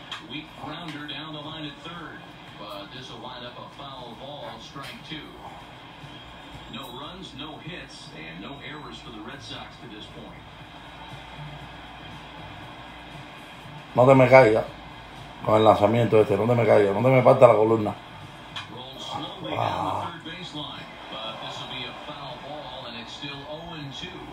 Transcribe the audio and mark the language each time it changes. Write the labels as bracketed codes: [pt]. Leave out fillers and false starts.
[en] Weak grounder down the line at third, but this will wind up a foul ball, strike two. No runs, no hits, and no errors for the Red Sox to this point. [es] No te me caiga con el lanzamiento este, no te me caiga, no te me parta la columna. [en] Roll slowly down the third baseline, but this will be a foul ball, and it's still 0-2.